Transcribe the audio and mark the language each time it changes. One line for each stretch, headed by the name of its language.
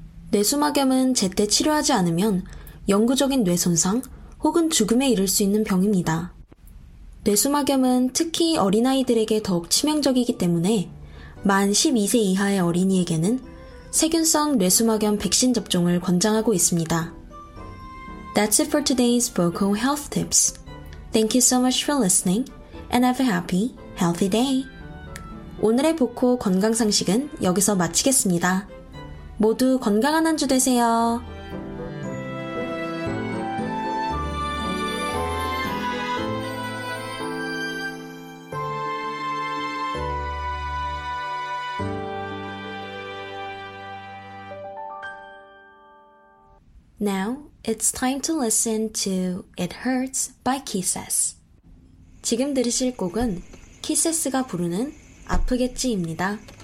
Korean: 뇌수막염은 제때 치료하지 않으면 영구적인 뇌손상, 혹은 죽음에 이를 수 있는 병입니다. 뇌수막염은 특히 어린아이들에게 더욱 치명적이기 때문에 만 12세 이하의 어린이에게는 세균성 뇌수막염 백신 접종을 권장하고 있습니다.
English: That's it for today's Boko Health Tips. Thank you so much for listening and have a happy, healthy day.
Korean: 오늘의 보코 건강상식은 여기서 마치겠습니다. 모두 건강한 한 주 되세요.
English: Now, it's time to listen to It Hurts by Kisses.
Korean: 지금 들으실 곡은 키세스가 부르는 아프겠지입니다.